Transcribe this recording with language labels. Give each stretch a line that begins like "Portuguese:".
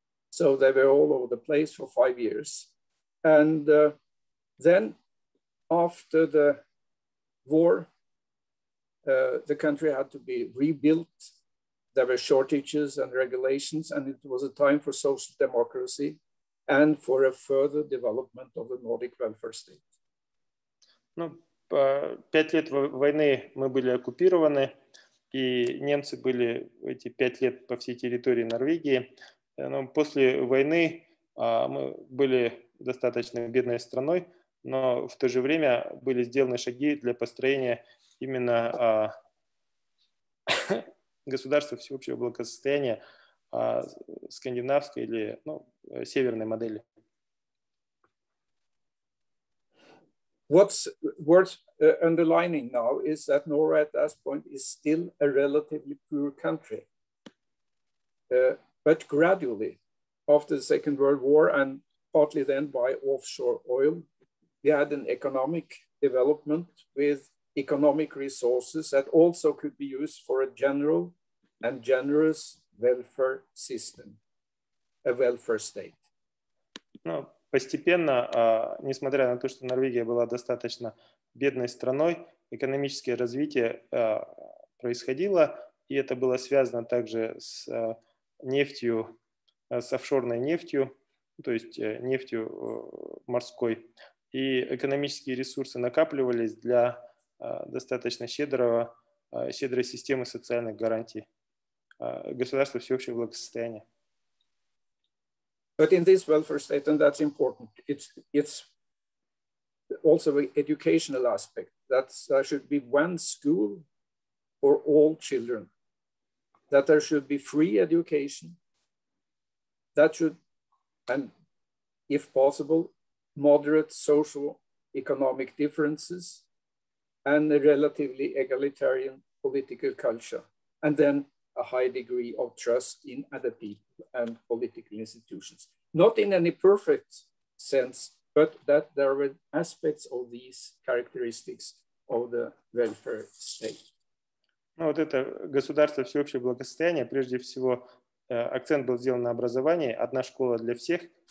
English: So they were all over the place for 5 years. And then after the war, the country had to be rebuilt. There were shortages and regulations, and it was a time for social democracy and for a further development of the Nordic welfare state.
Russian: Ну, 5 лет войны мы были оккупированы, и немцы были эти 5 лет по всей территории Норвегии. Но после войны мы были достаточно бедной страной, но в то же время были сделаны шаги для построения именно государство всеобщего благосостояния, скандинавской или, ну, северной модели.
English: What's worth underlining now is that Norway at this point is still a relatively poor country. But gradually, after the Second World War and partly then by offshore oil, we had an economic development with economic resources that also could be used for a general and generous welfare system, a welfare state.
Russian: Ну, постепенно, несмотря на то, что Норвегия была достаточно бедной страной, экономическое развитие происходило, и это было связано также с нефтью, с офшорной нефтью, то есть нефтью морской, и экономические ресурсы накапливались для достаточно щедрого, щедрой системы социальных гарантий. Государство всеобщего благосостояния.
English: But in this welfare state, and that's important, it's also an educational aspect. There should be one school for all children. That there should be free education. That should, and if possible, moderate social economic differences and a relatively egalitarian political culture. And then a high degree of trust in other people and political institutions. Not in any perfect sense, but that there were aspects of these characteristics of the welfare state.
Russian: Ну, вот это государство всеобщего благосостояния, прежде всего, акцент был сделан на образовании, одна школа для всех,